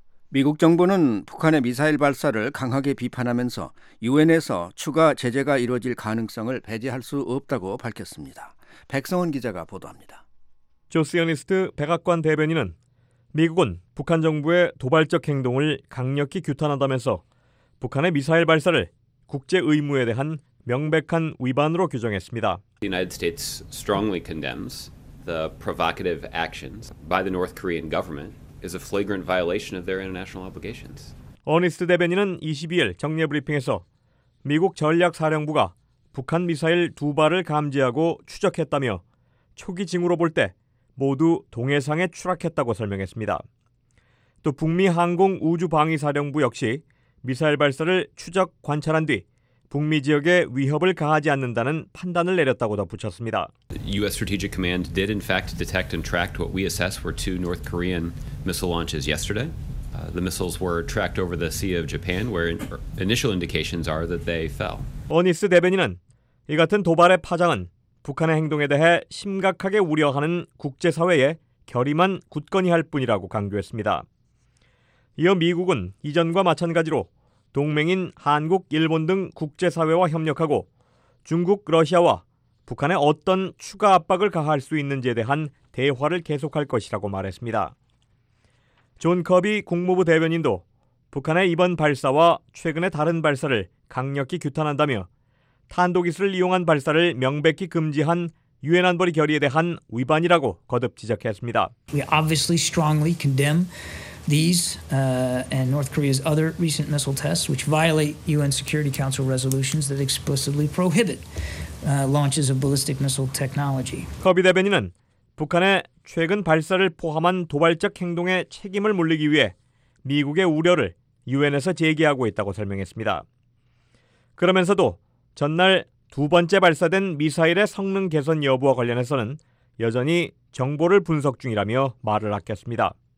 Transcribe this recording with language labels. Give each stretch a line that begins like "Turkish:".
Korean: 미국 정부는 북한의 미사일 발사를 강하게 비판하면서 유엔에서 추가 제재가 이루어질 가능성을 배제할 수 없다고 밝혔습니다. 백성원 기자가 보도합니다. 조스 연이스트 백악관 대변인은 미국은 북한 정부의 도발적 행동을 강력히 규탄한다면서 북한의 미사일 발사를 국제 의무에 대한 명백한 위반으로 규정했습니다.
English: The United States strongly condemns the provocative actions by the North Korean government is a flagrant violation of their international obligations.
Korean: 어니스트 대변인은 22일 정례 브리핑에서 미국 전략사령부가 북한 미사일 두 발을 감지하고 추적했다며 초기 징후로 볼 때 모두 동해상에 추락했다고 설명했습니다. 또 북미 항공 우주 방위 사령부 역시 미사일 발사를 추적 관찰한 뒤 북미 지역에 위협을 가하지 않는다는 판단을 내렸다고 덧붙였습니다.
English: US Strategic Command did in fact detect and tracked what we assess were two North Korean missile launches yesterday. The missiles were tracked over the Sea of Japan where initial indications are that they fell.
Korean: 어니스 대변인은 이 같은 도발의 파장은 북한의 행동에 대해 심각하게 우려하는 국제 사회의 결의만 굳건히 할 뿐이라고 강조했습니다. 이어 미국은 이전과 마찬가지로 동맹인 한국, 일본 등 국제사회와 협력하고 중국, 러시아와 북한의 어떤 추가 압박을 가할 수 있는지에 대한 대화를 계속할 것이라고 말했습니다. 존 커비 국무부 대변인도 북한의 이번 발사와 최근의 다른 발사를 강력히 규탄한다며 탄도기술을 이용한 발사를 명백히 금지한 유엔 안보리 결의에 대한 위반이라고 거듭 지적했습니다.
English: We obviously strongly condemn these and North Korea's other recent missile tests which violate UN Security Council resolutions that explicitly prohibit launches of ballistic missile technology.
Korean: 커비 대변인은 북한의 최근 발사를 포함한 도발적 행동에 책임을 물리기 위해 미국의 우려를 유엔에서 제기하고 있다고 설명했습니다. 그러면서도 전날 두 번째 발사된 미사일의 성능 개선 여부와 관련해서는 여전히 정보를 분석 중이라며 말을 아꼈습니다.